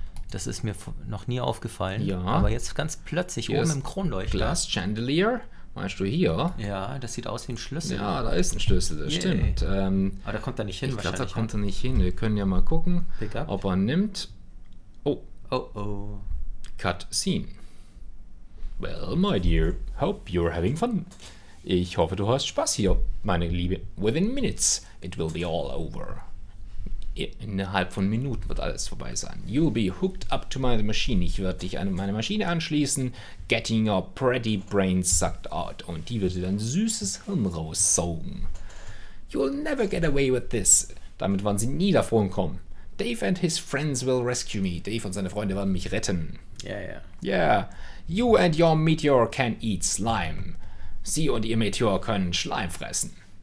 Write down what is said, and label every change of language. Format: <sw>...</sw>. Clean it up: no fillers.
<de>Das ist mir noch nie aufgefallen. Ja. Aber jetzt ganz plötzlich hier oben im Kronleuchter. Glass Chandelier, meinst du hier? Ja, das sieht aus wie ein Schlüssel. Ja, da ist ein Schlüssel, das stimmt. Aber da kommt er nicht hin, wahrscheinlich. Ich glaube, da kommt er nicht hin. Wir können ja mal gucken, ob er nimmt.</de> <en>Oh. Cut scene. Well, my dear, hope you're having fun.</en> <de>Ich hoffe, du hast Spaß hier, meine Liebe.</de> <en>Within minutes, it will be all over.</en> <de>Innerhalb von Minuten wird alles vorbei sein.</de> <en>You'll be hooked up to my machine.</en> <de>Ich werde dich an meine Maschine anschließen.</de> <en>Getting your pretty brain sucked out.</en> <de>Und die wird dir dein süßes Hirn raussaugen.</de> <en>You'll never get away with this.</en> <de>Damit werden sie nie davon kommen.</de> <en>Dave and his friends will rescue me.</en> <de>Dave und seine Freunde werden mich retten.</de> <en>Yeah. You and your meteor can eat slime.</en> <de>Sie und ihr Meteor können Schleim fressen.</de>